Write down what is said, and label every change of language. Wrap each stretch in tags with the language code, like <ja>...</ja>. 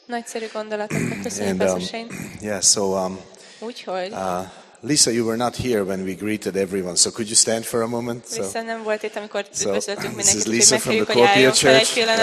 <hu>Nagyszerű gondolatok. Köszönjük, Pastor Shane.</hu> <en>Yeah, so</en> <hu>úgyhogy</hu> <en>Lisa, you were not here when we greeted everyone, so could you stand for a moment? So,</en> <hu>Lisa nem volt itt, amikor üdvözöltünk mindenkit,</hu> <en>this is Lisa from the Copia Church.</en>